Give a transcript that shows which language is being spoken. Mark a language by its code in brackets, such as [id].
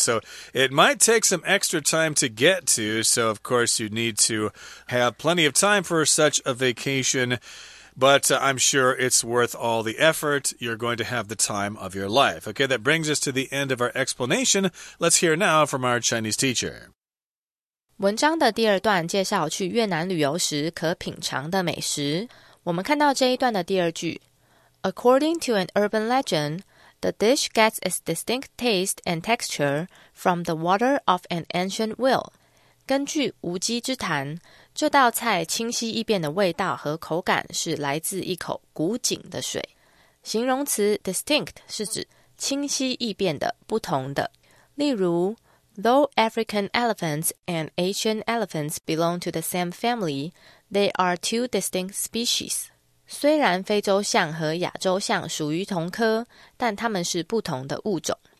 [en] So it might take some extra time to get to. So, of course, you need to have plenty of time for such a vacation. But I'm sure it's worth all the effort. You're going to have the time of your life. Okay, that brings us to the end of our explanation. Let's hear now from our Chinese teacher. [zh] 文章的第二段介绍去越南旅游时可品尝的美食。我们看到这一段的第二句。 [en] According to an urban legend, the dish gets its distinct taste and texture from the water of an ancient well. [zh] 根据无稽之谈，这道菜清晰易辨的味道和口感是来自一口古井的水。形容词 distinct 是指清晰易辨的、不同的。 [en] 例如 ,Though African elephants and Asian elephants belong to the same family, they are two distinct species. [zh] 虽然非洲象和亚洲象属于同科，但它们是不同的物种。